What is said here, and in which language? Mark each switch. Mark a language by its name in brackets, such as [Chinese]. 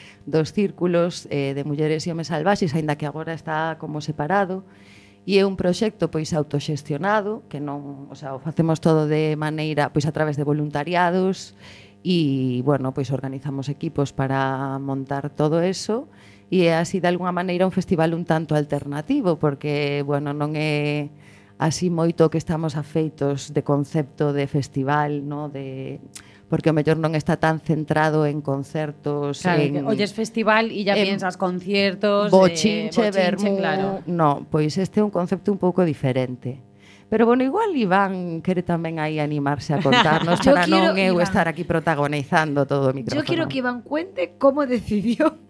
[Galician] dos círculos de mulleres e homes salvaxes, aínda que agora está como separado, e é un proxecto pois autoxestionado, que non, o sea, o facemos todo de maneira pois a través de voluntariados e bueno, pois organizamos equipos para montar todo eso, e é así de algunha maneira un festival un tanto alternativo, porque bueno, non é así moito que estamos afeitos de concepto de festival, no de porque o mellor non está tan centrado en concertos, claro, en [Spanish] olles festival e ya piensas conciertos, bochinche, vermú, claro. [Galician] No, pois este é un concepto un pouco diferente. Pero bueno, igual Iván quere tamén aí animarse a contarnos para non eu Iván, estar aquí protagonizando todo o micrófono. [Spanish] Yo quiero que Iván cuente como decidió